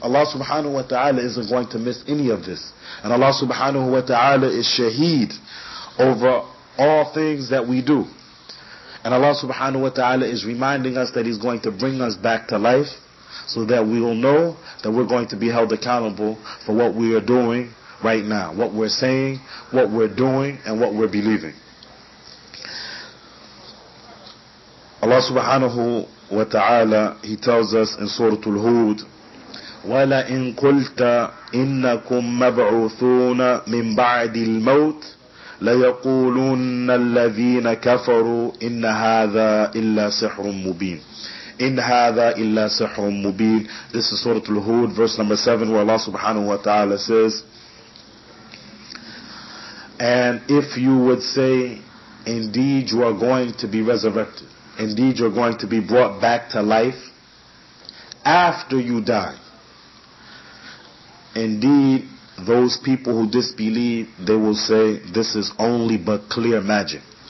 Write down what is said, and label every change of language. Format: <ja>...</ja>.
<en>Allah subhanahu wa ta'ala isn't going to miss any of this. And Allah subhanahu wa ta'ala is shaheed over all things that we do. And Allah subhanahu wa ta'ala is reminding us that He's going to bring us back to life so that we will know that we're going to be held accountable for what we are doing right now, what we're saying, what we're doing, and what we're believing.</en> <ar>Allah subhanahu wa ta'ala, He tells us in Surah Al-Hud, وَلَئِن قُلْتَ إِنَّكُم مَبْعُثُونَ مِن بَعْدِ الْمَوْتِ لَيَقُولُنَّ الَّذِينَ كَفَرُوا إِنَّ هَذَا إِلَّا سِحْرٌ مُبِينٌ إِنَّ هَذَا إِلَّا سِحْرٌ مُبِينٌ.</ar> <en>This is Surah Al-Hud, verse number 7, where Allah subhanahu wa ta'ala says, and if you would say, indeed you are going to be resurrected, indeed you are going to be brought back to life after you die, indeed those people who disbelieve, they will say, this is only but clear magic.</en>